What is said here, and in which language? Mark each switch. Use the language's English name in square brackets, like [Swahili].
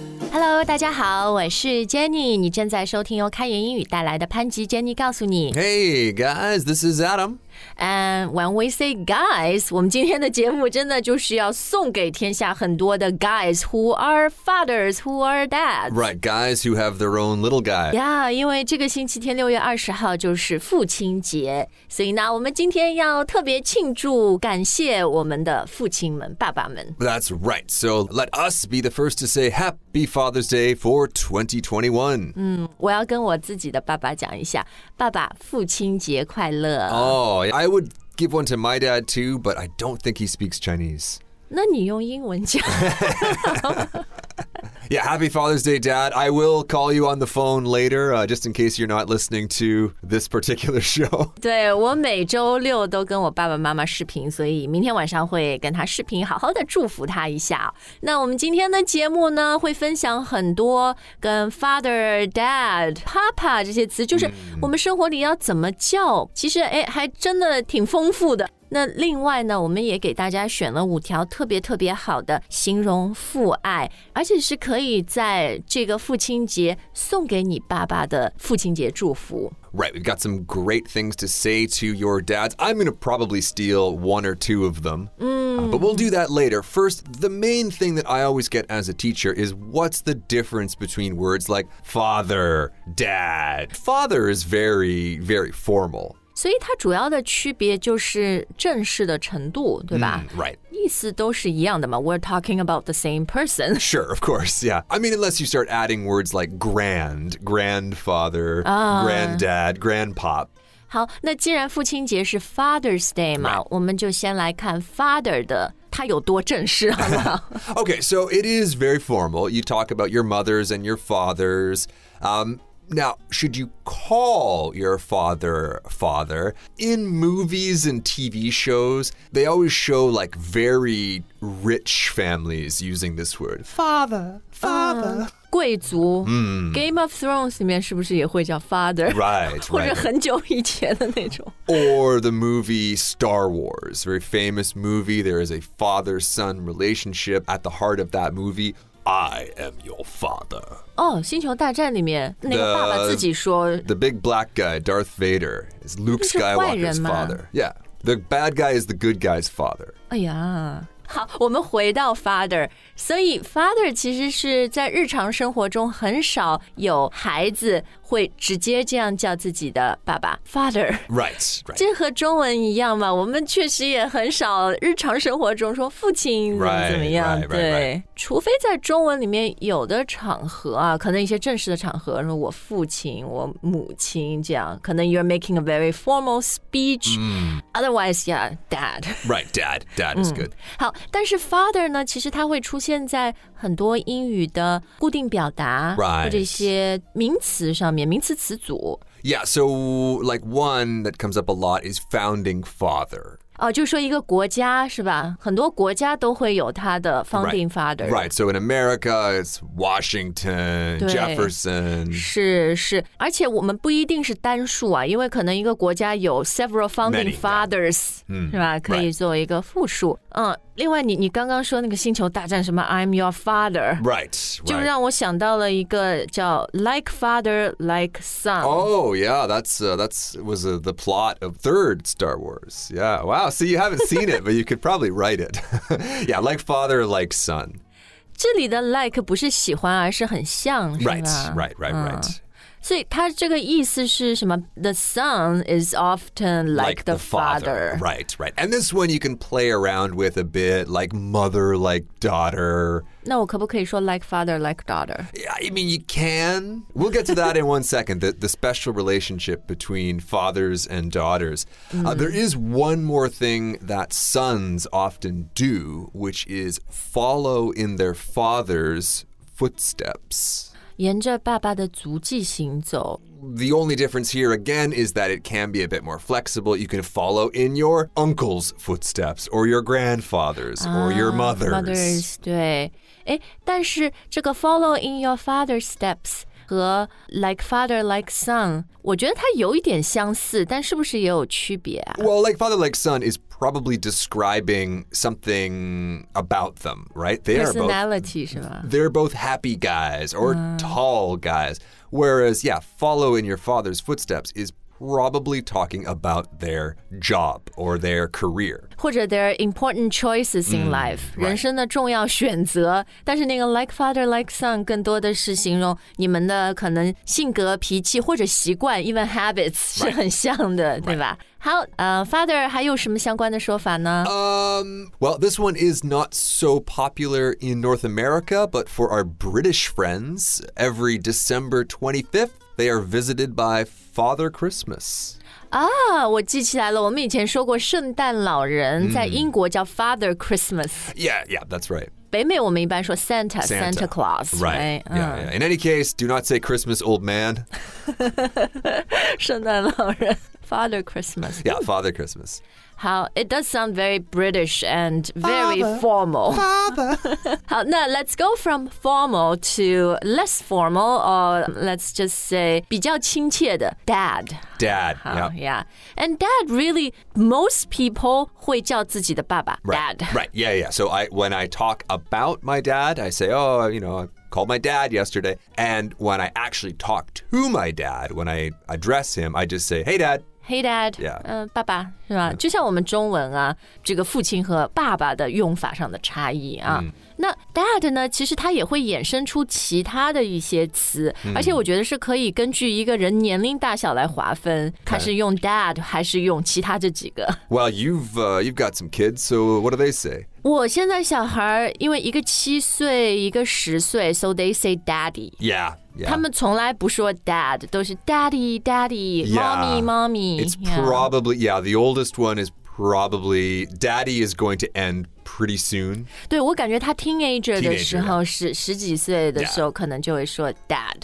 [Chinese] Hello， 大家好，我是 Jenny， 你正在收听由开言英语带来的潘吉 Jenny 告诉你。 [English] Hey guys, this is Adam. And when we say guys, [Chinese] 我们今天的节目真的就是要送给天下很多的 [English] guys who are fathers, who are dads. Right, guys who have their own little guy. [Chinese] Yeah, 因为这个星期天6月20号就是父亲节，所以呢，我们今天要特别庆祝感谢我们的父亲们、爸爸们。 [English] That's right, so let us be the first to say happy Father's Day for 2021. [Chinese] 我要跟我自己的爸爸讲一下，爸爸，父亲节快乐。 [English] Oh, I would give one to my dad too, but I don't think he speaks Chinese. [Chinese] 那你用英文讲。 [English] Yeah, happy Father's Day, Dad. I will call you on the phone later, just in case you're not listening to this particular show. [Chinese] 对，我每周六都跟我爸爸妈妈视频，所以明天晚上会跟他视频，好好的祝福他一下。那我们今天的节目呢，会分享很多跟 father, dad, papa 这些词，就是我们生活里要怎么叫，其实还真的挺丰富的。那另外呢，我们也给大家选了五条特别特别好的形容父爱，而且是可以在这个父亲节送给你爸爸的父亲节祝福。 [English] Right, we've got some great things to say to your dads. I'm going to probably steal one or two of them. But we'll do that later. First, the main thing that I always get as a teacher is what's the difference between words like father, dad? Father is very, very formal. [Chinese] 所以它主要的区别就是正式的程度，对吧？ [English] Right. [Chinese] 意思都是一样的嘛。 [English] We're talking about the same person. Sure, of course, yeah. I mean, unless you start adding words like grand, grandfather, granddad, grandpop. [Chinese] 好，那既然父亲节是 Father's Day 嘛， [English] right. [Chinese] 我们就先来看 father 的它有多正式，好吗？ [English] Okay, so it is very formal. You talk about your mothers and your fathers. Now, should you call your father father? In movies and TV shows, they always show like very rich families using this word. Father, father. [Chinese] 贵族、Game of Thrones 里面是不是也会叫 father? [English] Right, [Chinese] right. 或者很久以前的那种。 [English] Or the movie Star Wars, very famous movie. There is a father-son relationship at the heart of that movie. I am your father. [Chinese] Oh, 星球大战里面那个爸爸自己说 [English] The big black guy, Darth Vader, is Luke Skywalker's father. Yeah, the bad guy is the good guy's father. [Chinese] 哎呀，好，我们回到 father. 所以 father 其实是在日常生活中很少有孩子会直接这样叫自己的爸爸 father. [English] Right, right. [Chinese] 这和中文一样嘛，我们确实也很少日常生活中说父亲怎么样。 [English] Right, [Chinese] 对， [English] right, right, right. [Chinese] 除非在中文里面有的场合啊，可能一些正式的场合，说我父亲、我母亲这样，可能 [English] you're making a very formal speech.、Otherwise, yeah, dad. Right, dad. Dad is good. [Chinese] 好，但是 father 呢，其实它会出现在很多英语的固定表达、 [English] right. [Chinese] 或者一些名词上面，名词词组。 [English] Yeah, so like one that comes up a lot is founding father. [Chinese] 哦，就是说一个国家是吧？很多国家都会有它的 founding father. [English] Right. Right. So in America, it's Washington, Jefferson. [Chinese] 是是，而且我们不一定是单数啊，因为可能一个国家有 [English] several founding fathers, [Chinese] 是吧？可以做一个复数。另外你刚刚说那个星球大战什么 [English] I'm your father right, [Chinese] right 就让我想到了一个叫 [English] like father like son oh yeah that's was the plot of third Star Wars yeah wow so you haven't seen it but you could probably write it yeah like father like son [Chinese] 这里的 like 不是喜欢而是很像是吧 right right right right 所以他这个意思是什么 [English] The son is often like the father. Right, right. And this one you can play around with a bit, like mother, like daughter. [Chinese] 那我可不可以说 like father, like daughter? [English] Yeah, I mean, you can. We'll get to that in one second, the special relationship between fathers and daughters. There is one more thing that sons often do, which is follow in their father's footsteps. [Chinese] 沿着爸爸的足迹行走。 [English] The only difference here again is that it can be a bit more flexible. You can follow in your uncle's footsteps or your grandfather's or your mother's. Mother's, [Chinese] 对。但是这个 [English] follow in your father's steps, [Chinese] 和 like father, like son, 我觉得它有一点相似，但是不是也有区别啊？ [English] Well, like father, like son is probably describing something about them, right? They Personality, [Chinese] 是吧？ [English] They're both happy guys or tall guys. Whereas, yeah, follow in your father's footsteps is probably talking about their job or their career. 或者 their important choices in life,、 right. [Chinese] 人生的重要选择。但是那个 like father, like son 更多的是形容你们的可能性格、脾气或者习惯 [English] even habits、 right. [Chinese] 是很像的、 [English] right. [Chinese] 对吧好、father 还有什么相关的说法呢、 [English] well, this one is not so popular in North America, but for our British friends, every December 25th, they are visited by Father Christmas. [Chinese] Ah, 我记起来了，我们以前说过圣诞老人、在英国叫 Father Christmas. [English] Yeah, yeah, that's right. 北美我们一般说 Santa Claus, right? Yeah, yeah. In any case, do not say Christmas old man. [Chinese] 圣诞老人。 [English] Father Christmas. Yeah, Father Christmas. How it does sound very British and very Father, formal. Father. [Chinese] 好，那 [English] let's go from formal to less formal, or let's just say [Chinese] 比较亲切的 [English] Dad. Dad. Yeah. Yeah. And Dad, really, most people [Chinese] 会叫自己的爸爸 [English] right, Dad. Right. Yeah. Yeah. So when I talk about my dad, I say, oh, you know. Called my dad yesterday, and when I actually talk to my dad, when I address him, I just say, hey, dad. Hey, dad. Yeah. [Chinese] 爸爸是吧、就像我们中文啊，这个父亲和爸爸的用法上的差异啊。那 dad 呢，其实它也会衍生出其他的一些词、而且我觉得是可以根据一个人年龄大小来划分，他是用 dad 还是用其他这几个。 [English] Well, you've got some kids, so what do they say? [Chinese] 我现在小孩因为一个七岁一个十岁 [English] so they say daddy yeah, yeah [Chinese] 他们从来不说 dad 都是 daddy daddy、 [English] yeah. mommy mommy it's probably yeah. yeah the oldest one is probably daddy is going to end pretty soon [Chinese] 对我感觉他 teenager 的时候 [English] teenager, yeah. [Chinese] 是十几岁的时候、yeah. 可能就会说 dad